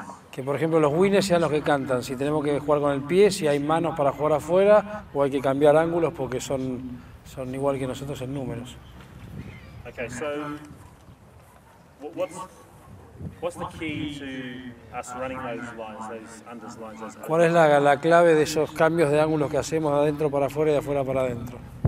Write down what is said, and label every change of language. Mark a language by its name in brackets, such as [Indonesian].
[Spanish] Que por ejemplo los winners sean los que cantan, si tenemos que jugar con el pie, si hay manos para jugar afuera o hay que cambiar ángulos porque son igual que nosotros en números. [English] Okay, so what's the key to us running those lines, those unders lines, those... [Spanish] ¿Cuál es la clave de esos cambios de ángulos que hacemos de adentro para afuera y de afuera para adentro?